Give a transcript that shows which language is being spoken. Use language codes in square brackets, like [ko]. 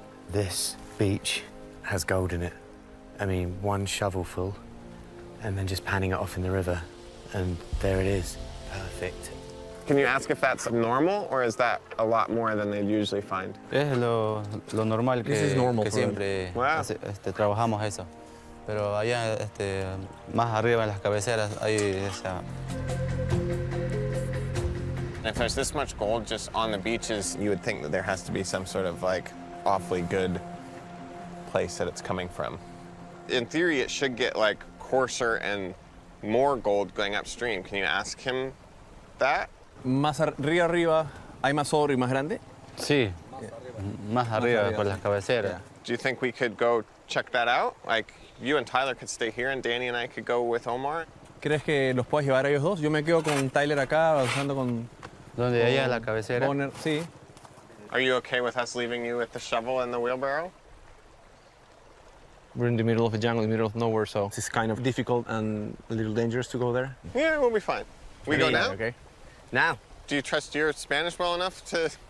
[en] This beach has gold in it. I mean, one shovelful, and then just panning it off in the river, and there it is. Perfect. Can you ask if that's normal, or is that a lot more than they'd usually find? [es] Es lo normal que, [en] this is normal [es] que siempre [en] wow. [es] Trabajamos eso. Pero allá, más arriba en las cabeceras, hay esa. [en] If there's this much gold just on the beaches, you would think that there has to be some sort of like awfully good place that it's coming from. In theory, it should get like coarser and more gold going upstream. Can you ask him that? [es] Más río arriba, hay más oro y más grande. Sí. Más arriba por las cabeceras. Yeah. [en] Do you think we could go check that out? Like. You and Tyler could stay here, and Danny and I could go with Omar. [es] ¿Crees que los puedes llevar a ellos dos? Yo me quedo con Tyler acá, avanzando con... ¿Dónde hay la cabecera? Bonner. Sí. [en] Are you okay with us leaving you with the shovel and the wheelbarrow? We're in the middle of the jungle, in the middle of nowhere, so it's kind of difficult and a little dangerous to go there. Yeah, we'll be fine. We go now? Okay. Now. Do you trust your Spanish well enough to...